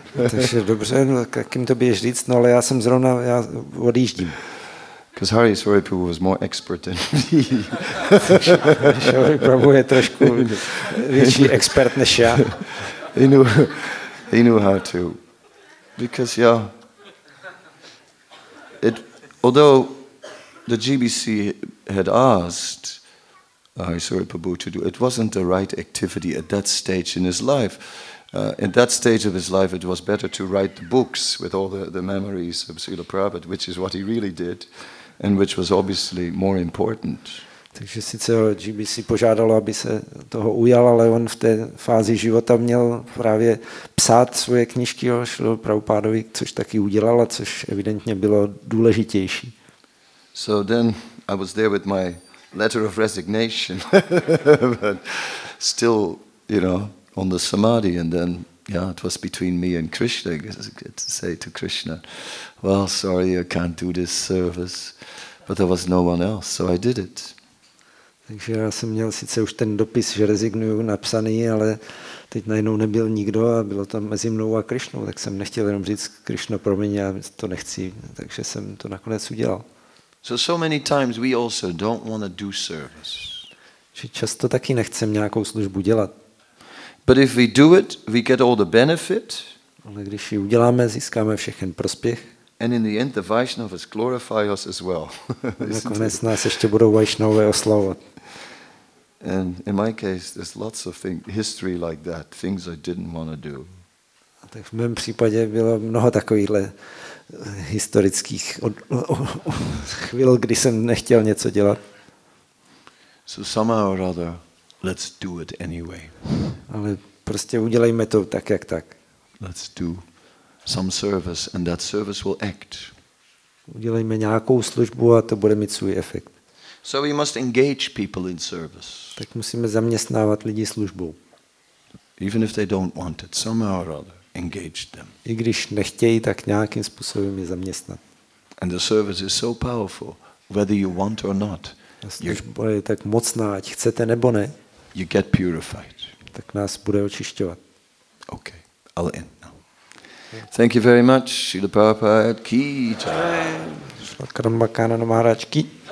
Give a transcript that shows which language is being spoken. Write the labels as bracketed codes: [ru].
[cs] Takže dobře, no, jak jim to běž říct, no ale já jsem zrovna, já odjíždím. [en] Because Hari Swaroopu was more expert than me. [cs] Hari Swaroopu je trošku větší expert než já. [en] He knew how to. Because, yeah, although the GBC had asked Hari Swaroopu to do, it wasn't the right activity at that stage in his life. In that stage of his life, it was better to write the books with all the memories of Srila Prabhupada, which is what he really did, and which was obviously more important. [cs] Takže sice GBC požádalo, aby se toho ujal, ale on v té fázi života měl právě psát svoje knížky o Srila Prabhupádovi, což taky udělal, a což evidentně bylo důležitější. [en] So then I was there with my letter of resignation, but still, you know, on the samadhi, and then, yeah, it was between me and Krishna. It's good to say to Krishna, well, sorry, I can't do this service, but there was no one else, so I did it. [cs] Takže já jsem měl sice už ten dopis, že rezignuju, napsaný, ale teď najednou nebyl nikdo a bylo tam mezi mnou a Krishnou, tak jsem nechtěl jenom říct, Krishno, promiň, já to nechci, takže jsem to nakonec udělal. [en] So many times we also don't want to do service. [cs] Že často taky nechcem nějakou službu dělat. [en] But if we do it, we get all the benefit. [cs] Ale když ji uděláme, získáme všechen prospěch. [en] And in the end, the Vaishnavas glorify us as well. [cs] Nakonec nás ještě budou Vaishnavé oslavovat. [en] And in my case, there's lots of things, history like that, things I didn't want to do. [cs] A tak v mém případě bylo mnoho takovýchhle historických chvil, kdy jsem nechtěl něco dělat. [en] So somehow or other, let's do it anyway. [cs] Ale prostě udělejme to tak, jak tak. [en] Let's do some service and that service will act. [cs] Udělejme nějakou službu a to bude mít svůj efekt. [en] So we must engage people in service. [cs] Tak musíme zaměstnávat lidi službou. [en] Even if they don't want it, somehow or other, engage them. [cs] I když nechtějí, tak nějakým způsobem je zaměstnat. [en] And the service is so powerful, whether you want or not. [cs] A služba je tak mocná, ať chcete nebo ne. [en] You get purified. [cs] Tak nás bude očišťovat. [en] Okay, I'll end now. Thank you very much, Srila Prabhupada ki jai. Sakramakanana Maharaj ki.